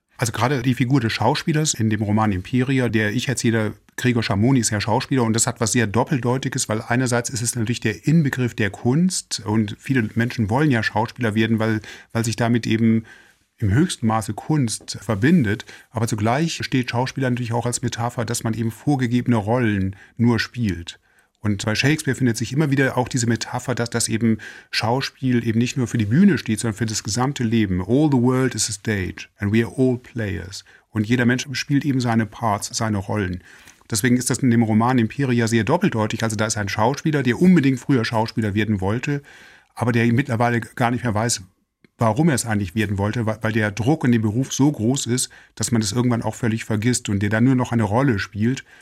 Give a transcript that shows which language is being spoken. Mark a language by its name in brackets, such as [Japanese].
[German] Also gerade die Figur des Schauspielers in dem Roman Imperia, der Ich-Erzähler Gregor Schamoni ist ja Schauspieler und das hat was sehr Doppeldeutiges, weil einerseits ist es natürlich der Inbegriff der Kunst und viele Menschen wollen ja Schauspieler werden, weil sich damit eben im höchsten Maße Kunst verbindet, aber zugleich steht Schauspieler natürlich auch als Metapher, dass man eben vorgegebene Rollen nur spielt. Und bei Shakespeare findet sich immer wieder auch diese Metapher, dass das eben Schauspiel eben nicht nur für die Bühne steht, sondern für das gesamte Leben. [English] All the world is a stage and we are all players. [German] Und jeder Mensch spielt eben seine Parts, seine Rollen. Deswegen ist das in dem Roman Imperia sehr doppeldeutig. Also da ist ein Schauspieler, der unbedingt früher Schauspieler werden wollte, aber der mittlerweile gar nicht mehr weiß, warum er es eigentlich werden wollte, weil der Druck in dem Beruf so groß ist, dass man das irgendwann auch völlig vergisst und der dann nur noch eine Rolle spielt.